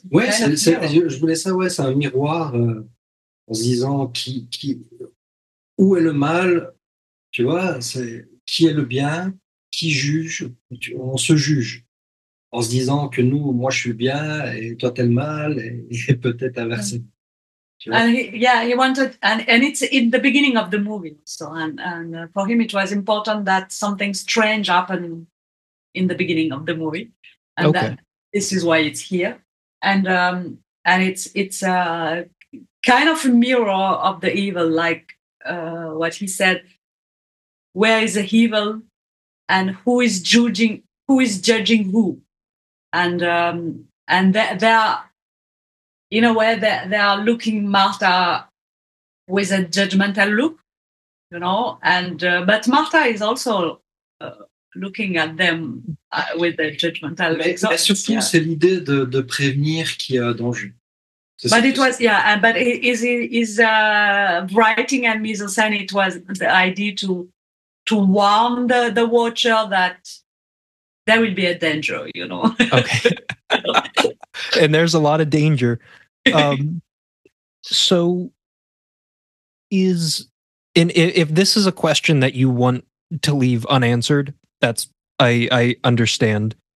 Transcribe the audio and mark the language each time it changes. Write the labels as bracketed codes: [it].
[fr] Ouais, c'est, je voulais ça, ouais, c'est un miroir en se disant qui, où est le mal, tu vois, c'est qui est le bien, qui juge, tu, on se juge. En se disant que nous, moi, je suis bien et toi, t'es le mal et peut-être inversé. Mm. [en] And he, yeah, he wanted, and it's in the beginning of the movie. So, and for him, it was important that something strange happened in the beginning of the movie, and okay. That this is why it's here. And it's a kind of a mirror of the evil, like what he said. Where is the evil, and who is judging? Who is judging who? And there are. In a way, they are looking Martha with a judgmental look, you know. And but Martha is also looking at them with a judgmental look. [fr] Mais surtout, yeah. C'est l'idée de prévenir qu'il y a danger. [en] But is writing and mise en scène. It was the idea to warn the watcher that there will be a danger, you know. Okay. And there's a lot of danger. So is, and if this is a question that you want to leave unanswered, that's, I understand.